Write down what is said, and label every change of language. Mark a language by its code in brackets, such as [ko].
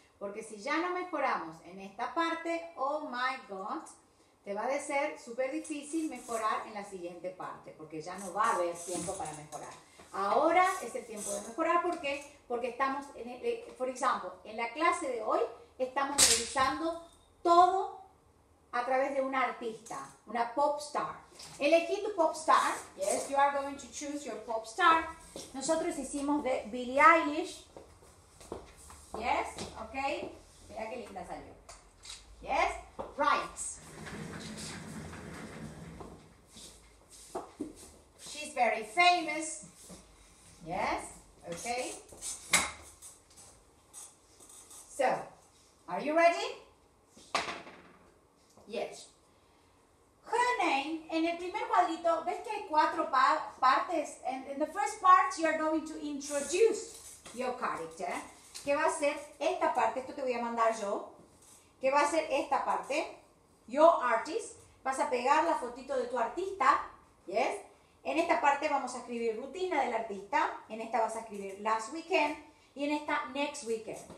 [es] Porque si ya no mejoramos en esta parte, [en] oh my God, [es] te va a ser súper difícil mejorar en la siguiente parte porque ya no va a haber tiempo para mejorar. Ahora es el tiempo de mejorar. ¿Por qué? porque estamos, en el, [en] for example, [es] en la clase de hoy estamos revisando todo a través de una artista, una pop star. Elegí tu pop star. [en] Yes, you are going to choose your pop star. [es] Nosotros hicimos de Billie Eilish. [en] Yes, okay. [es] Mira qué linda salió. [en] Yes, right. She's very famous. Yes, okay. So, are you ready? Yes. Her name, [es] en el primer cuadrito, ves que hay cuatro partes. [en] And in the first part, you are going to introduce your character. [es] Que va a ser esta parte, esto te voy a mandar yo. Que va a ser esta parte, [en] your artist. [es] Vas a pegar la fotito de tu artista. [en] Yes. [es] En esta parte vamos a escribir rutina del artista. En esta vas a escribir [en] last weekend. [es] Y en esta, [en] next weekend.